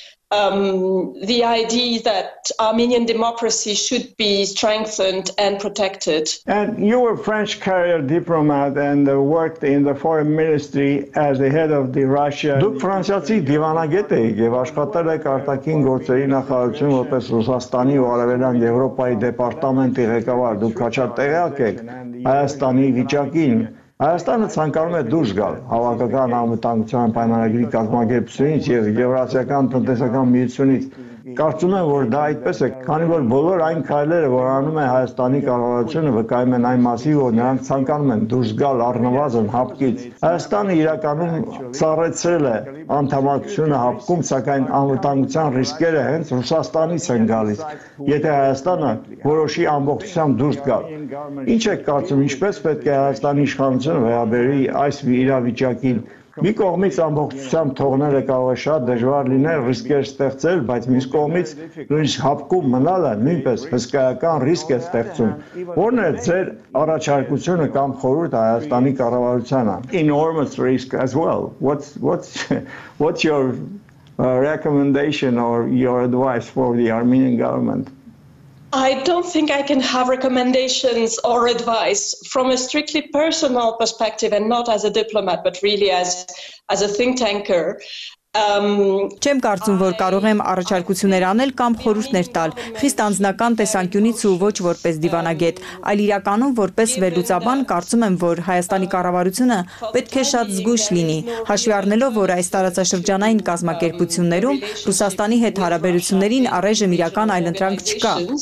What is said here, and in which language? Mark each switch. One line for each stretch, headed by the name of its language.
English: The idea that Armenian democracy should be strengthened and protected. And you were a French career diplomat and worked in the foreign ministry as the head of the Russia.
Armenian: Դուք ֆրանսիացի դիվանագետ եք եւ աշխատել եք արտաքին գործերի նախարարություն որպես Ռուսաստանի ու Արևելյան Եվրոպայի դեպարտամենտի ղեկավար, դուք քաչար տեղյակ եք Հայաստանի վիճակին։ Հայաստանը ցանկանում է դուրս գալ հավաքական անվտանգության պայմանագրի կազմակերպությունից եւ եվրասիական տնտեսական միությունից։ Կարծում եմ, որ դա այդպես է, քանի որ բոլոր այն քայլերը, որ անում է Հայաստանի կառավարությունը, վկայում են այն մասի, որ նրանք ցանկանում են դուրս գալ առնվազն հապկից։ Հայաստանը իրականում ծառեցրել է անդամակցությունը հապկում, սակայն անվտանգության ռիսկերը հենց Ռուսաստանից են գալիս, եթե Հայաստանը որոշի ամբողջությամբ դուրս գալ։ Ինչ եք կարծում, ինչպես պետք է Հայաստանի իշխանությունը վերաբերի այս իրավիճակին։ Մի կողմից ամբողջությամբ թողնելը կարող է շատ դժվար լինել, ռիսկեր ստեղծել, բայց մյուս կողմից նույնիսկ հապկում մնալը նույնպես հսկայական ռիսկ է ստեղծում։ Որն է ձեր առաջարկությունը կամ խորհուրդը Հայաստանի կառավարությանը?
English: Enormous risk as well. What's your recommendation or your advice for the Armenian government? I don't think I can have recommendations or advice from a strictly personal perspective and not as a diplomat but really as a think tanker.
Armenian: Չեմ կարծում, որ կարող եմ առաջարկություններ անել կամ խորհուրդներ տալ, խիստ անձնական տեսանկյունից ու ոչ որպես դիվանագետ, այլ իրականում որպես վերլուծաբան կարծում եմ, որ Հայաստանի կառավարությունը պետք է շատ զգույշ լինի, հաշվի առնելով, որ այս տարածաշրջանային կազմակերպություններում Ռուսաստանի հետ հարաբերություններին առայժմ իրական այլընտրանք չկա։